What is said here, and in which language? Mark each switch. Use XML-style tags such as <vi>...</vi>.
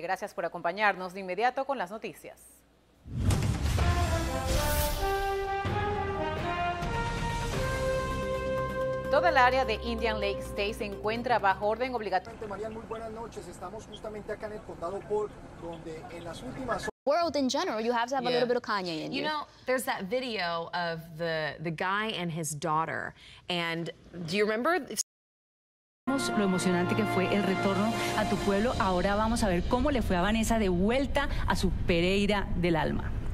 <es>Gracias por acompañarnos de inmediato con las noticias. Toda la área de Indian Lake State se encuentra bajo orden obligatorio. Marian, muy buenas noches. Estamos justamente acá en el condado Polk, donde en las últimas horas...</es> <en>World in general, you have to have a little bit of Kanye in you. You know, there's that video of the guy and his daughter. And do you remember?</en> <es>Lo emocionante que fue el retorno a tu pueblo. Ahora vamos a ver cómo le fue a Vanessa de vuelta a su Pereira del alma.</es>